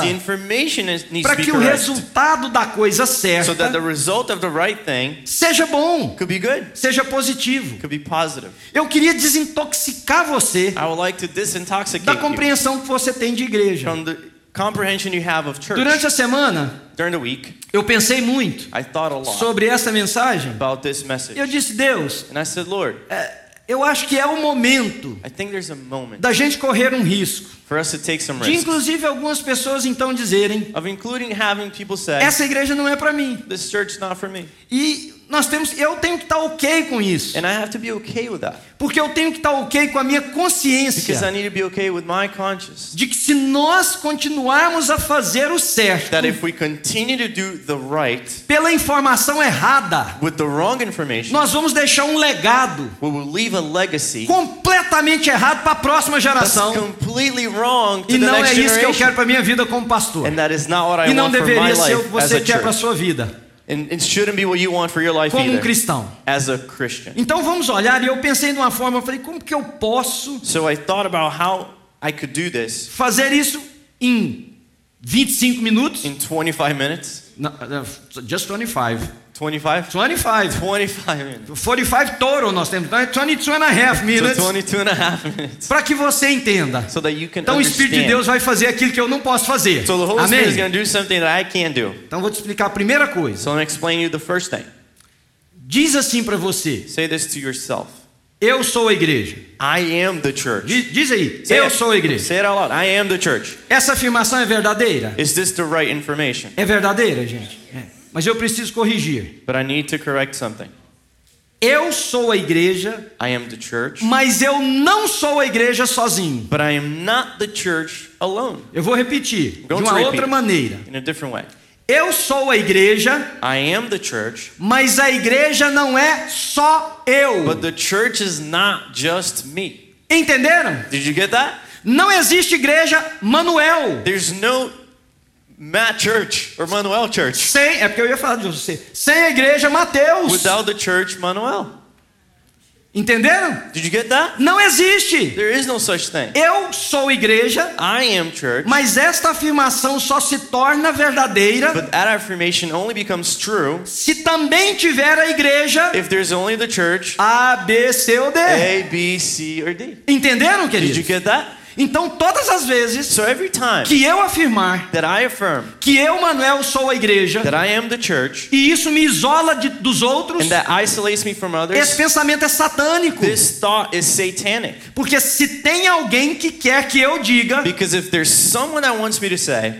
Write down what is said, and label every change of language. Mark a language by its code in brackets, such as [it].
[en] the information needs to be correct, [pt] para que o resultado da coisa certa, [en] so that the result of the right thing, [pt] seja bom, [en] could be good, [pt] seja positivo, [en] could be positive. [pt] Eu queria desintoxicar você, [en] I would like to disintoxicate [pt] da compreensão [en] you [pt] que você tem de igreja, [en] from the comprehension you have of church. [pt] Durante a semana, [en] during the week, [pt] eu pensei muito, [en] I thought a lot [pt] sobre essa mensagem, [en] about this message. [pt] Eu disse, Deus, [en] and I said, Lord, [pt] Eu acho que é o momento da gente correr um risco. [en] For us to take some risks. [pt] Inclusive algumas pessoas então dizerem, [en] of including having people say, [pt] essa igreja não é para mim. [en] This church is not for me. [pt] E nós temos, eu tenho que estar ok com isso. [en] And I have to be okay with that. [pt] Porque eu tenho que estar ok com a minha consciência. [en] Because I need to be okay with my conscience. [pt] De que se nós continuarmos a fazer o certo, [en] that if we continue to do the right, [pt] pela informação errada, [en] with the wrong information, [pt] nós vamos deixar um legado, [en] we will leave a legacy, [pt] completamente errado para a próxima geração. [en] That's completely wrong to the next generation. [pt] E não é isso que eu quero para minha vida como pastor. [en] And that is not what I [pt] e não [en] want [pt] deveria [en] for my [pt] ser [en] life [pt] o que você quer para a sua vida. [en] And it shouldn't be what you want for your life [pt] como [en] either. [pt] Como cristão. [en] As a Christian. [pt] Então vamos olhar, e eu pensei de uma forma, eu falei, como que eu posso, [en] so I thought about how I could do this. [pt] Fazer isso em 25 minutos? [en] In 25 minutes? No, just 25. 25? 25. 25 minutes. [pt] 45 total nós temos. [en] 22 and a half minutes. So 22 and a half minutes. [pt] Para que você entenda. [en] So that you can [pt] então [en] understand. [pt] O Espírito de Deus vai fazer aquilo que eu não posso fazer. [en] So the Holy Amém. Spirit is going to do something that I can't do. [pt] Então vou te explicar a primeira coisa. [en] So I'm explaining you the first thing. [pt] Diz assim para você. [en] Say this to yourself. [pt] Eu sou a igreja. [en] I am the church. [pt] Diz aí, [en] say [pt] eu [en] it. [pt] Sou a igreja. [en] Say it out loud. I am the church. [pt] Essa afirmação é verdadeira? [en] Is this the right information? [pt] É verdadeira, gente. É. Mas eu preciso corrigir. [en] But I need to correct something. [pt] Eu sou a igreja. [en] I am the church. [pt] Mas eu não sou a igreja sozinho. [en] But I am not the church alone. [pt] Eu vou repetir de uma outra maneira. [en] In a different way. [pt] Eu sou a igreja. [en] I am the church. [pt] Mas a igreja não é só eu. [en] But the church is not just me. [pt] Entenderam? [en] Did you get that? [pt] Não existe igreja Manuel. [en] There's no Matt Church or Manuel Church. [pt] Sem, é porque eu ia falar de você. Sem a igreja Mateus. [en] Without the church, Manuel. [pt] Entenderam? [en] Did you get that? [pt] Não existe. [en] There is no such thing. [pt] Eu sou igreja. [en] I am church. [pt] Mas esta afirmação só se torna verdadeira. [en] But that affirmation only becomes true. [pt] Se também tiver a igreja. [en] If there's only the church. [pt] A, B, C ou D. [en] A, B, C or D. [pt] Entenderam, querido? [en] Did you get that? [pt] Então todas as vezes, [en] so every time, [pt] que eu afirmar [en] that I affirm, [pt] que eu, Manuel, sou a igreja, [en] that I am the church, [pt] e isso me isola de, dos outros, [en] and that isolates me from others, [pt] esse pensamento é satânico. [en] This thought is satanic. [pt] Porque se tem alguém que quer que eu diga, [en] because if there's someone that wants me to say,